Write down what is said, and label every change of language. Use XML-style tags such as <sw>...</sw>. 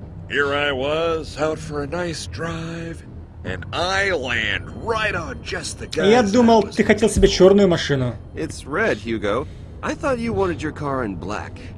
<en>Here I was, out for a nice drive, and I land right on just the guy.</en> <ru>Я думал, ты хотел себе чёрную машину.</ru> <en>It's red, Hugo. I thought you wanted your car in black.</en>